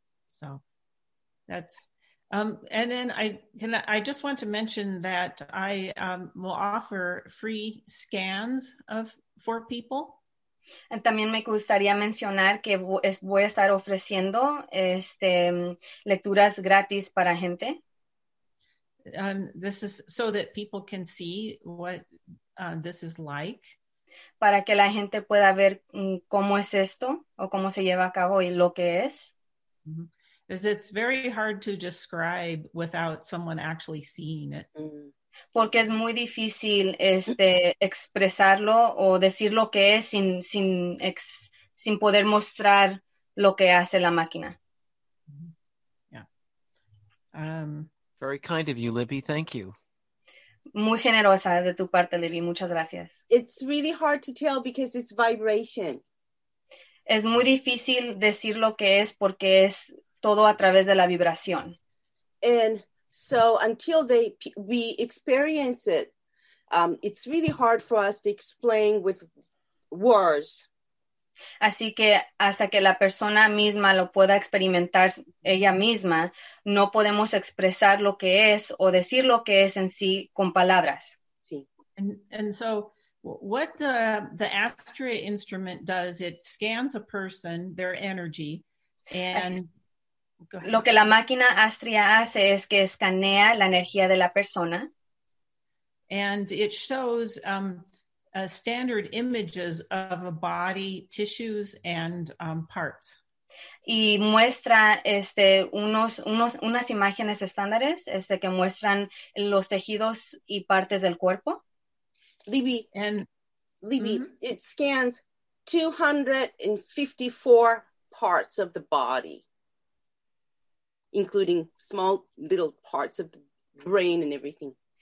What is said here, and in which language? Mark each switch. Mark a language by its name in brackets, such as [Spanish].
[English] So that's I just want to mention that I will offer free scans for people. [Spanish] También me gustaría mencionar que voy a estar ofreciendo lecturas gratis para gente. [English] This is so that people can see what this is like. [Spanish] Para que la gente pueda ver cómo es esto o cómo se lleva a cabo y lo que es. [English] Because it's very hard to describe without someone actually seeing it. [Spanish] Porque es muy difícil expresarlo o decir lo que es sin poder mostrar lo que hace la máquina. [English] Yeah. Very kind of you, Libby. Thank you. [Spanish] Muy generosa de tu parte, Libby. Muchas gracias. [English] It's really hard to tell because it's vibration. [Spanish] Es muy difícil decir lo que es porque es todo a través de la vibración. [English] And so until we experience it, it's really hard for us to explain with words. [Spanish] Así que hasta que la persona misma lo pueda experimentar ella misma, no podemos expresar lo que es o decir lo que es en sí con palabras. Sí. [English] And so what the Astrea instrument does, it scans a person, their energy, and... [Spanish] Lo que la máquina Astrea hace es que escanea la energía de la persona. [English] And it shows standard images of a body, tissues, and parts. [Spanish] y muestra unas imágenes estándares que muestran los tejidos y partes del cuerpo. Libby, mm-hmm. [English] It scans 254 parts of the body, including small little parts of the brain and everything.